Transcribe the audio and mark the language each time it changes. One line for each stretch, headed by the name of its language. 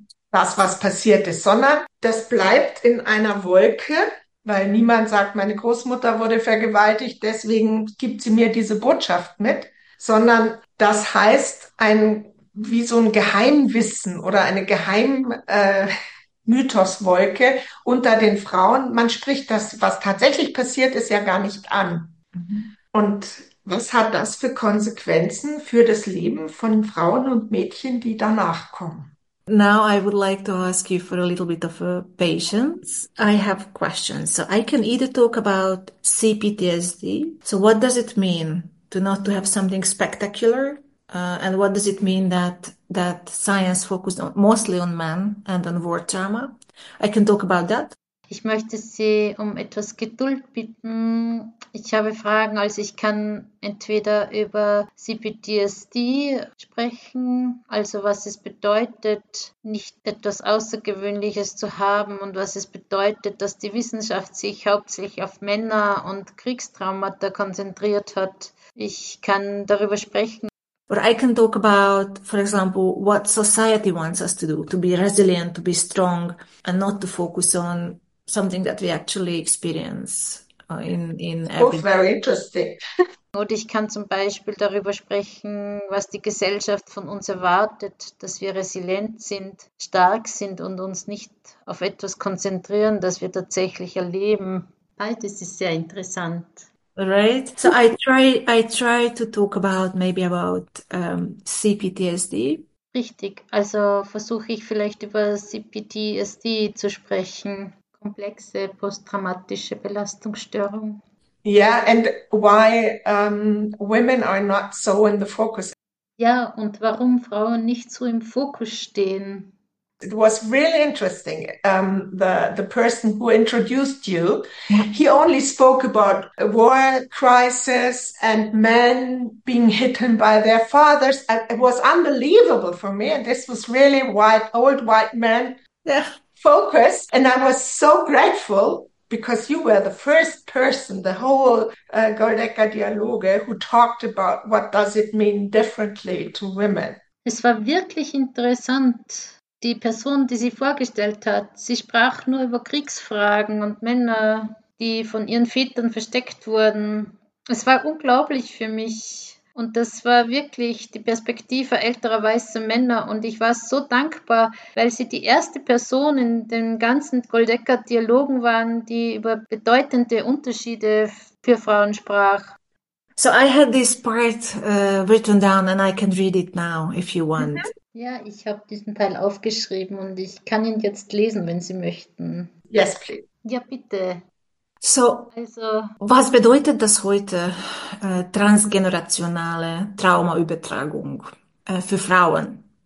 German: das, was passiert ist, sondern das bleibt in einer Wolke, weil niemand sagt, meine Großmutter wurde vergewaltigt, deswegen gibt sie mir diese Botschaft mit, sondern das heißt ein wie so ein Geheimwissen oder eine Geheim-Mythoswolke unter den Frauen. Man spricht das, was tatsächlich passiert ist, ja gar nicht an. Und was hat das für Konsequenzen für das Leben von Frauen und Mädchen, die danach kommen?
English: Now I would like to ask you for a little bit of patience. I have questions. So I can either talk about CPTSD. So what does it mean to not to have something spectacular? And what does it mean that science focused on, mostly on men and on war trauma? I can talk about that.
German: Ich möchte Sie um etwas Geduld bitten. Ich habe Fragen, also ich kann entweder über CPTSD sprechen, also was es bedeutet, nicht etwas Außergewöhnliches zu haben und was es bedeutet, dass die Wissenschaft sich hauptsächlich auf Männer und Kriegstraumata konzentriert hat. Ich kann darüber sprechen.
English: But I can talk about, for example, what society wants us to do, to be resilient, to be strong, and not to focus on something that we actually experience in both every... very interesting.
German: Oder ich kann zum Beispiel darüber sprechen, was die Gesellschaft von uns erwartet, dass wir resilient sind, stark sind und uns nicht auf etwas konzentrieren, das wir tatsächlich erleben. Beides ist sehr interessant.
English: Right. So I try to talk about maybe about CPTSD.
German: Richtig. Also versuche ich vielleicht über CPTSD zu sprechen. Komplexe posttraumatische Belastungsstörung.
English: Yeah, and why women are not so in the focus.
German: Ja, und warum Frauen nicht so im Fokus stehen.
English: It was really interesting. The person who introduced you, he only spoke about a war crisis and men being hidden by their fathers. It was unbelievable for me. And this was really white, old white man focus. And I was so grateful because you were the first person, the whole Goldecker Dialoge, who talked about what does it mean differently to women.
German: Es war wirklich interessant. Die Person, die sie vorgestellt hat, sie sprach nur über Kriegsfragen und Männer, die von ihren Vätern versteckt wurden. Es war unglaublich für mich. Und das war wirklich die Perspektive älterer weißer Männer. Und ich war so dankbar, weil sie die erste Person in den ganzen Goldecker-Dialogen waren, die über bedeutende Unterschiede für Frauen sprach.
English: So I had this part written down and I can read it now, if you want.
German: Ja, ich habe diesen Teil aufgeschrieben und ich kann ihn jetzt lesen, wenn Sie möchten.
English: Yes, please.
German: Ja, bitte. So, also, was bedeutet das heute, transgenerationale Traumaübertragung für Frauen?